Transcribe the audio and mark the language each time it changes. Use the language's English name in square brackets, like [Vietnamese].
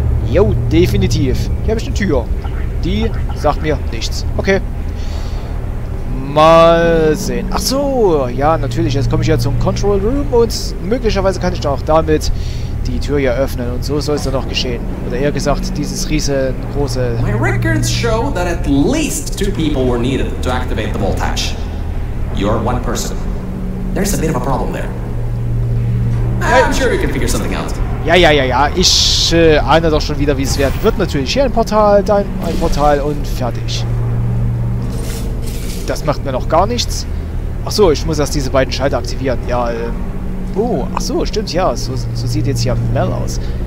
[German] Jo, definitiv. Hier habe ich eine Tür. Die sagt mir nichts. Okay. Mal sehen. Ach so, ja, natürlich. Jetzt komme ich ja zum Control Room und möglicherweise kann ich dann auch damit die Tür ja öffnen. Und so soll es dann auch geschehen. Oder eher gesagt, dieses riesengroße... [English] My records show that at least two people were needed to activate the bolt hatch. You're one person. There's a bit of a problem there. I'm sure we can figure something out. [German] Ja. Ich ahne doch schon wieder, wie es werden wird. Natürlich hier ein Portal, dann ein Portal und fertig. Das macht mir noch gar nichts. Ach so, ich muss erst diese beiden Schalter aktivieren. Ja, ach so, stimmt, ja. So sieht jetzt hier Mel aus.